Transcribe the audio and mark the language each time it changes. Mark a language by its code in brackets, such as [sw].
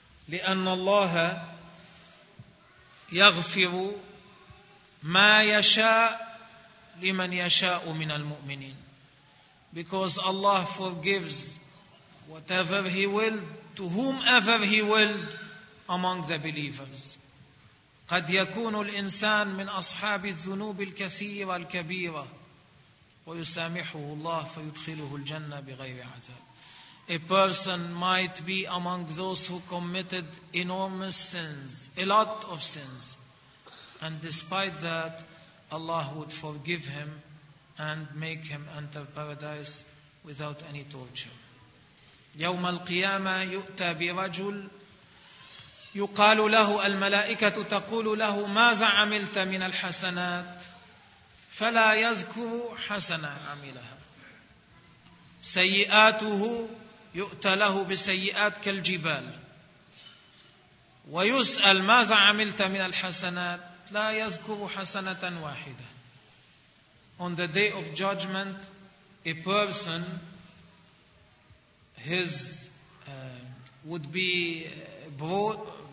[ar] لِأَنَّ اللَّهَ يَغْفِرُ مَا يَشَاءُ لِمَنْ يَشَاءُ مِنَ الْمُؤْمِنِينَ. [en] Because Allah forgives whatever He will to whomever He will among the believers. [ar] قد يكون الإنسان من أصحاب الذنوب الكثيرة الكبيرة ويسامحه الله فيدخله الجنة بغير عذاب. [en] A person might be among those who committed enormous sins, a lot of sins, and despite that, Allah would forgive him and make him enter paradise without any torture. [ar] يوم القيامة يؤتى برجل يقال له الملائكة تقول له ماذا عملت من الحسنات فلا يذكر حسنة عملها. سيئاته يؤتى له بسيئات كالجبال ويسأل ماذا عملت من الحسنات لا يذكر حسنة واحدة. [en] On the day of judgment, a person his would be brought